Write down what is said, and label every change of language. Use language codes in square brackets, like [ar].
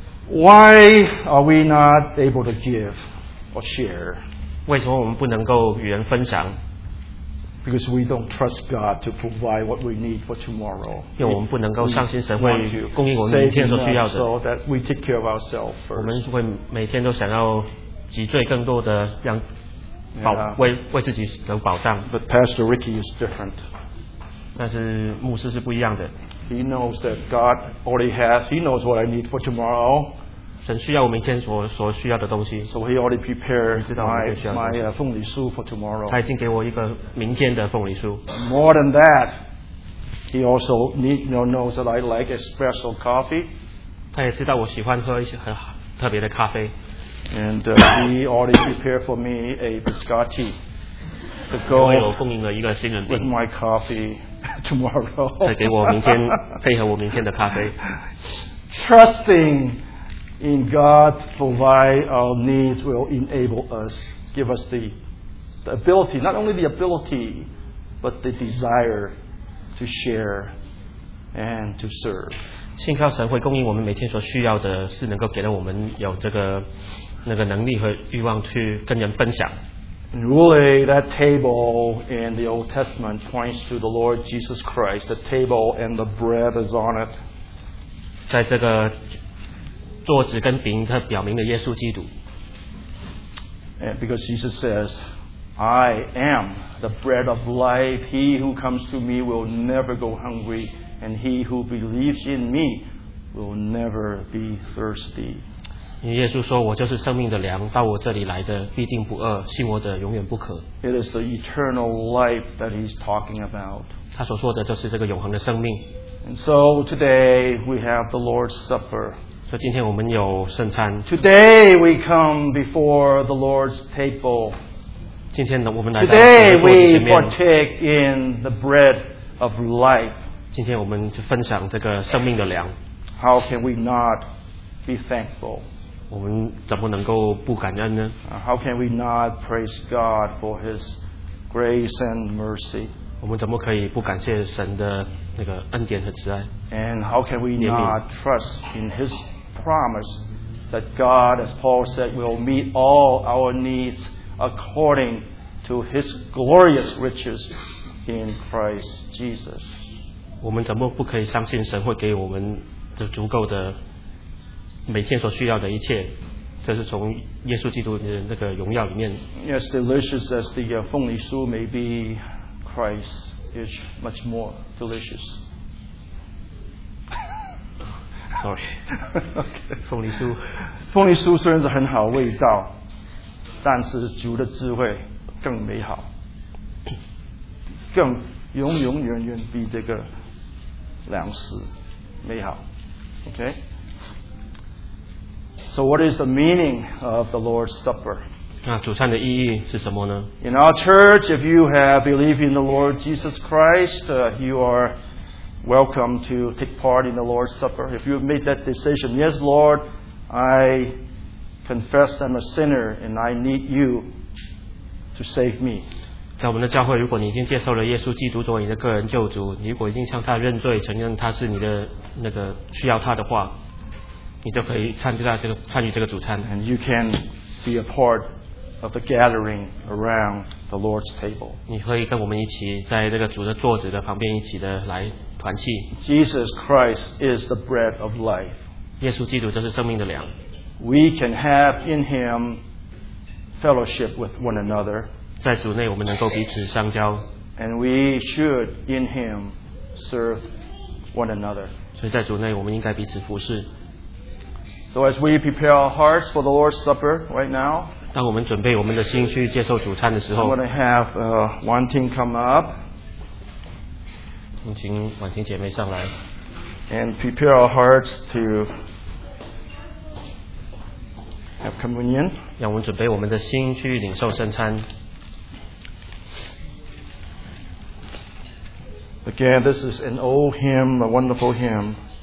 [en] Why are we not able to give or share? [zh] 为什么我们不能够与人分享？ [en] Because we don't trust God to provide what we need for tomorrow. [zh] 因为我们不能够相信神会供应我们明天所需要的。 [en] So that we take care of ourselves first. [zh] 我们会每天都想要积最更多的让保、 yeah. 为自己有保障。 [en] But Pastor Ricky is different. [zh] 但是牧师是不一样的。 [en] He knows that God already has. He knows what I need for tomorrow. [zh] 神需要我明天所需要的东西。 [en] So he already prepared my 凤梨酥 for tomorrow. [zh] 他已经给我一个明天的凤梨酥。 [en] More than that, he also knows that I like espresso coffee. [zh] 他也知道我喜欢喝一些很特别的咖啡。 [en] And he already prepared for me a biscotti to go with my coffee tomorrow. [zh] 再给我明天配合我明天的咖啡。 [en] Trusting. In God provide our needs will enable us, give us the ability, not only the ability, but the desire to share and to serve. [zh] 信靠神会供应我们每天所需要的，是能够给了我们有这个那个能力和欲望去跟人分享。 [en] Really, that table in the Old Testament points to the Lord Jesus Christ. The table and the bread is on it. [zh] 在这个桌子跟饼，它表明了耶稣基督。 [en] Because Jesus says, "I am the bread of life. He who comes to me will never go hungry, and he who believes in me will never be thirsty." [zh] 耶稣说，我就是生命的粮，到我这里来的必定不饿，信我的永远不渴。 [en] It is the eternal life that he's talking about. [zh] 他所说的就是这个永恒的生命。 [en] And so today we have the Lord's Supper. [zh] 所以今天我们有圣餐。 [en] Today we come before the Lord's table. [zh] 今天我们来到 [en] Today we partake in the bread of life. [zh] 今天我们就分享这个生命的粮。 [en] How can we not be thankful? [zh] 我们怎么能够不感恩呢？ [en] How can we not praise God for His grace and mercy? [zh] 我们怎么可以不感谢神的那个恩典和慈爱？ [en] And how can we not trust in His promise that God, as Paul said, will meet all our needs according to His glorious riches in Christ Jesus? [zh] 我们怎么不可以相信神会给我们的足够的每天所需要的一切？这是从耶稣基督的那个荣耀里面。 [en] As delicious as the 凤梨酥 may be, Christ is much more delicious. Sorry, 凤梨酥。 [zh] 凤梨酥虽然是很好味道，但是主的智慧更美好，更永永远远比这个粮食美好。 Okay. [en] So, what is the meaning of the Lord's Supper? [zh] 那主餐的意义是什么呢 [en] ？In our church, if you have believed in the Lord Jesus Christ, you are. Welcome to take part in the Lord's Supper. If you've made that decision, yes, Lord, I confess I'm a sinner and I need you to save me. [zh] 在我们的教会，如果你已经接受了耶稣基督作为你的个人救主，你如果已经向他认罪，承认他是你的那个需要他的话，你就可以参与这个主餐。 [en] And you can be a part of the gathering around the Lord's table. [zh] 你可以跟我们一起在这个主的桌子的旁边一起的来团契。 [en] Jesus Christ is the bread of life. [zh] 耶稣基督就是生命的粮。 [en] We can have in Him fellowship with one another. [zh] 在主内我们能够彼此相交。 [en] And we should in Him serve one another. [zh] 所以在主内我们应该彼此服侍。 [en] So as we prepare our hearts for the Lord's Supper right now, [zh] 当我们准备我们的心去接受主餐的时候， [en] I'm going to have one team come up. [zh] 请婉婷姐妹上来。 [en] And prepare our hearts to have communion. [zh] 让我们准备我们的心去领受圣餐。 [en] Again, this is an old hymn, a wonderful hymn.